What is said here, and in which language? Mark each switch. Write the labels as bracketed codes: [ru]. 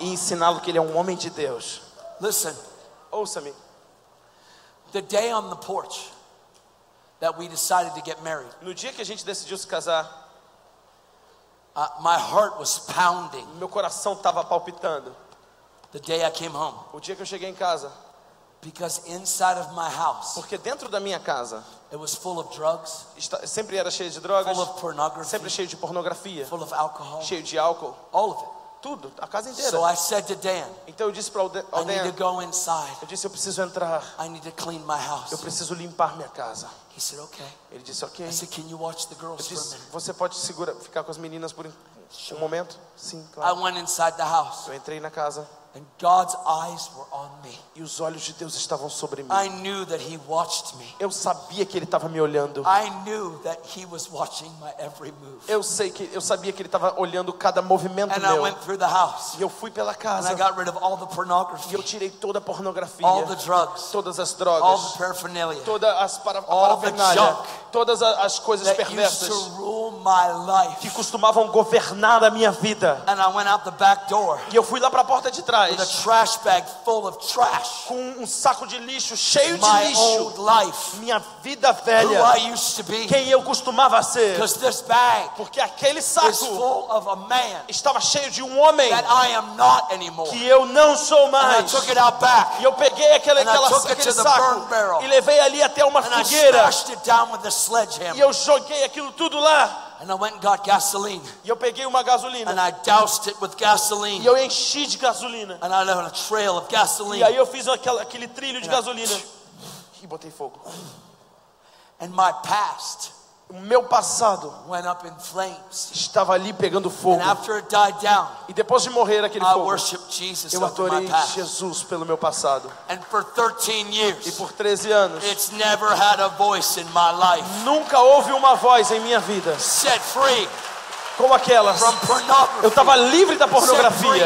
[pt] E ensiná-lo que ele é um homem de Deus. [en] Listen. [pt] Ouça-me. [en] The day on the porch that we decided to get married. [pt] No dia que a gente decidiu se casar, [en] my heart was pounding. [pt] Meu coração estava palpitando. [en] The day I came home. [pt] O dia que eu cheguei em casa. [en] Because inside of my house. [pt] Porque dentro da minha casa. [en] It was full of drugs. [pt] Sempre era cheio de drogas. [en] Full of pornography. [pt] Sempre cheio de pornografia. [en] Full of alcohol. [pt] Cheio de álcool. [en] All of it. [pt] Tudo, a casa inteira. [en] So I said to Dan. [pt] Então eu disse para o Dan. [en] I need to go inside. [pt] Eu disse, eu preciso entrar. [en] I need to clean my house. [pt] Eu preciso limpar minha casa. [en] He said, okay. [pt] Ele disse, okay. [en] I said, can you watch the girls [pt] eu disse, [en] for a minute? [pt] Você pode segurar, ficar com as meninas por [en] sure. [pt] Um momento? Sim, claro. [en] I went inside the house. [pt] Eu entrei na casa. [en] And God's eyes were on me. [pt] E os olhos de Deus estavam sobre mim. [en] I knew that he watched me. [pt] Eu sabia que ele estava me olhando. [en] I knew that he was watching my every move. [pt] Eu sabia que ele estava olhando cada movimento [en] and [pt] meu. [en] I went through the house. [pt] E eu fui pela casa. [en] And I got rid of all the pornography. [pt] E eu tirei toda a pornografia. [en] All the drugs. [pt] Todas as drogas. [en] All the paraphernalia. [pt] Todas as parafernália. Todas as coisas [en] that [pt] perversas. [en] Used to rule my life. [pt] Que costumavam governar a minha vida. [en] And I went out the back door. [pt] E eu fui lá para a porta de trás. [en] With a trash bag full of trash. [pt] Com um saco de lixo cheio [en] my [pt] de lixo. [en] Old life. [pt] Minha vida velha. [en] Who I used to be. [pt] Quem eu costumava ser. [en] Because this bag. [pt] Porque aquele saco [en] full of a man. [pt] Estava cheio de um homem. [en] That I am not anymore. [pt] Que eu não sou mais. [en] And I took it out back. [pt] E eu peguei aquele saco e levei ali até uma [en] and [pt] fogueira. [en] I smashed it down with the sledgehammer. [pt] E eu joguei aquilo tudo lá. [en] And I went and got gasoline. [pt] E eu peguei uma gasolina. [en] And I doused it with gasoline. [pt] E eu enchi de gasolina. [en] And I left a trail of gasoline. [pt] E aí eu fiz aquele trilho de gasolina. E botei fogo. [en] And my past. [pt] O meu passado. [en] Went up in flames. [pt] Estava ali pegando fogo. [en] And after it died down. [pt] E depois de morrer aquele fogo. [en] I worshiped Jesus. [pt] Eu adorei Jesus pelo meu passado. [en] And for 13 years. [pt] E por 13 anos. [en] It's never had a voice in my life. [pt] Nunca houve uma voz em minha vida. [en] Set free. [pt] Como aquelas. [en] From pornography. [pt] Eu estava livre da pornografia.